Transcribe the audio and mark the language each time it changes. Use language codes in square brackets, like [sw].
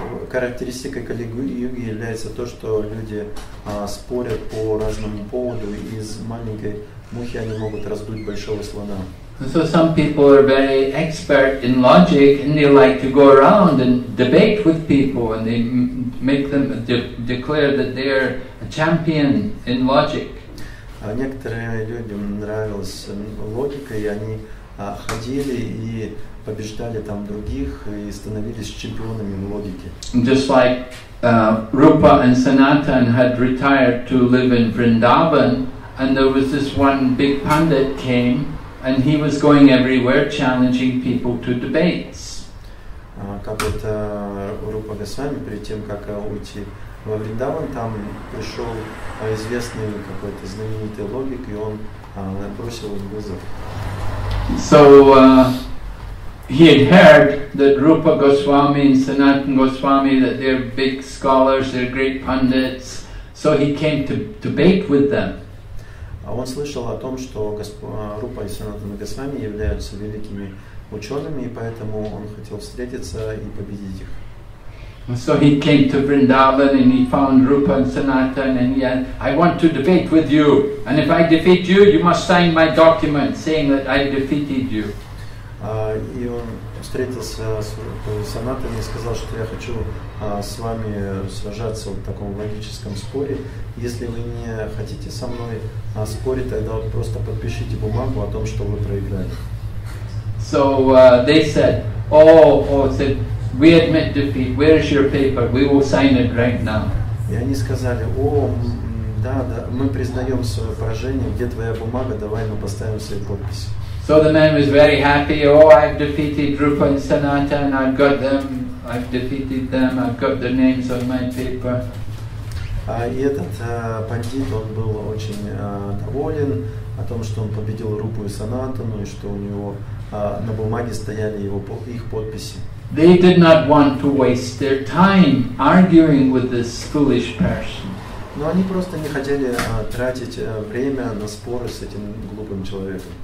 [ru] Характеристикой Кали-Юги является то, что люди спорят по разному поводу, и из маленькой мухи они могут раздуть большого слона. [en] So some people are very expert in logic and they like to go around and debate with people and they make them declare that they are a champion in logic. [ru] Некоторым людям нравилась логика, и они ходили и побеждали там других и становились чемпионами в логике. [en] Just like Rupa and Sanatan had retired to live in Vrindavan, and there was this one big pundit came and he was going everywhere challenging people to debates. [ru] Как это Рупа Госвами перед тем, как уйти во Вриндаван, там пришел известный какой-то знаменитый логик, и он бросил вызов. [en] So he had heard that Rupa Goswami and Sanatan Goswami, that they're big scholars, they're great pundits. So he came to debate with them. [ru] Он слышал о том, что Рупа и Санатана Госвами являются великими учеными, и поэтому он хотел встретиться и победить их. [en] So he came to Vrindavan and he found Rupa and Sanatan and he said, I want to debate with you. And if I defeat you, you must sign my document saying that I defeated you. [ru] И он встретился с Санатаном и сказал, что я хочу с вами сражаться в таком логическом споре. Если вы не хотите со мной спорить, тогда вот просто подпишите бумагу о том, что вы проиграли. [en] So they said, said, we admit defeat. Where is your paper? We will sign it right now. [ru] И они сказали, да, мы признаем свое поражение. Где твоя бумага? Давай мы поставим себе подпись. [en] So the man was very happy. Oh, I've defeated Rupa and Sanatan. I've got them. I've defeated them. I've got their names on my paper. [ru] И этот пандит, он был очень доволен о том, что он победил Рупу и Санатану, и что у него на бумаге стояли его их подписи. [en] They did not want to waste their time arguing with this foolish person. [ru] Но они просто не хотели тратить время на споры с этим глупым человеком.